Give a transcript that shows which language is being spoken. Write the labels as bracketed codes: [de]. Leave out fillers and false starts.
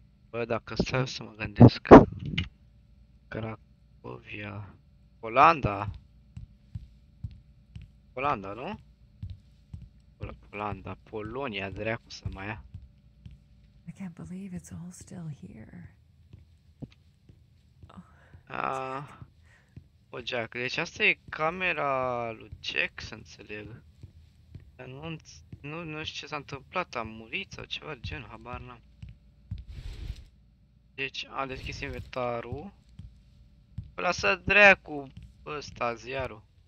[ro] Bă, dacă stau să mă gândesc... Cracovia... Olanda? Polanda, nu? Polanda, Polonia, dreacu să mai ia. [en] I can't believe it's all still here. [ro] O Jack, deci asta e camera lui Jack, să înțeleg. Dar nu știu ce s-a întâmplat, a murit sau ceva de genul, habar n-am. Deci a deschis inventarul. Lasă dreacu ăsta, ziarul.